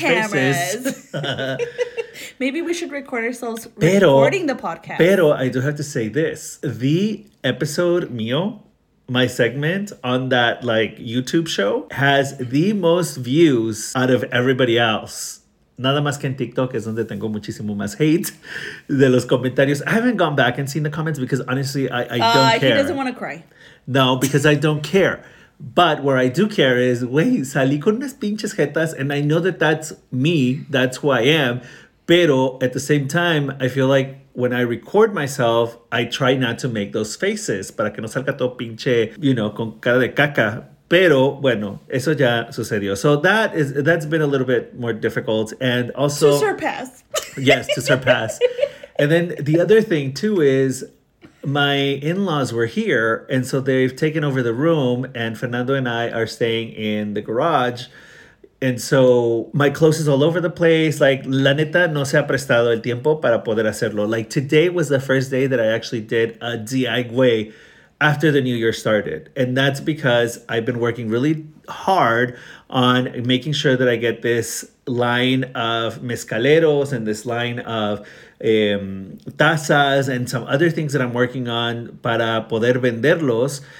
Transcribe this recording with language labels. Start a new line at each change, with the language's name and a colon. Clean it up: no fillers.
English: the cameras? Faces. Maybe we should record ourselves recording the podcast. Pero I do have to say this. The episode mío, my segment on that like YouTube show, has the most views out of everybody else.
Spanish: Nada más que en TikTok es donde tengo muchísimo más hate de los comentarios.
English: I haven't gone back and seen the comments because honestly, I don't care. He doesn't want to cry. No, because I don't care. But where I do care is, wey,
Spanish: salí con unas pinches jetas
English: and I know that that's me, that's who I am. Pero at the same time, I feel like when I record myself, I try not to make those faces
Spanish: para que no salga todo pinche,
English: you know,
Spanish: con cara de caca. Pero bueno, eso ya sucedió.
English: So that's been a little bit more difficult, and also to surpass. Yes, to surpass. And then the other thing too is my in-laws were here, and so they've taken over the room, and Fernando and I are staying in the garage. And so my clothes is all over the place.
Spanish: Like, la neta, no se ha prestado el tiempo para poder hacerlo.
English: Like, today was the first day that I actually did a DIY after the new year started. And that's because I've been working really hard on making sure that I get this line of mezcaleros and this line of tazas and some other things that I'm working on
Spanish: para poder venderlos.